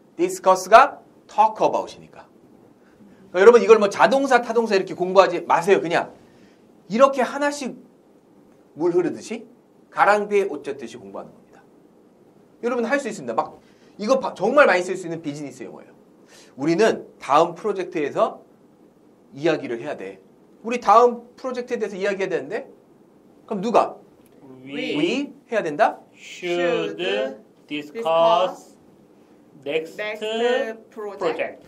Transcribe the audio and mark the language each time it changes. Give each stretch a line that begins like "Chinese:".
Korean: Discuss가 talk about이니까. 여러분 이걸 뭐 자동사, 타동사 이렇게 공부하지 마세요. 그냥 이렇게 하나씩 물 흐르듯이 가랑비에 옷 젖듯이 공부하는 겁니다. 여러분 할 수 있습니다. 막 이거 정말 많이 쓸 수 있는 비즈니스 용어예요. 우리는 다음 프로젝트에서 이야기를 해야 돼. 우리 다음 프로젝트에 대해서 이야기해야 되는데 그럼 누가?
English: We
Korean: 해야 된다?
English: Should discuss next project.